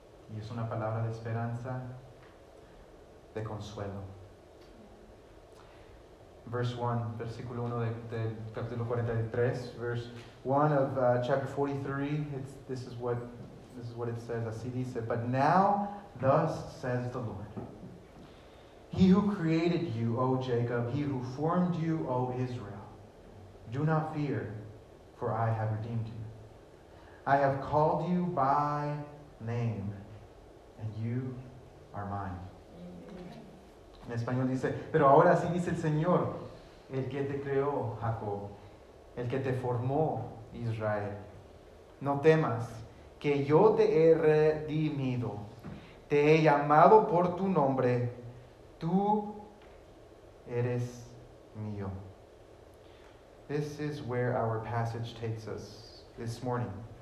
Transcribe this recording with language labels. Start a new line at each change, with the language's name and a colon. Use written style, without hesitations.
Spanish: Y es una palabra de esperanza, de consuelo.
English: Verse 1,
Spanish: versículo 1 de capítulo 43,
English: verse 1 of chapter 43, this is what it says,
Spanish: así dice,
English: but now, thus says the Lord, he who created you, O Jacob, he who formed you, O Israel, do not fear, for I have redeemed you. I have called you by name, and you are mine.
Spanish: En español dice, pero ahora sí dice el Señor, el que te creó, Jacob, el que te formó, Israel. No temas, que yo te he redimido, te he llamado por tu nombre, tú eres mío.
English: This is where our passage takes us this morning.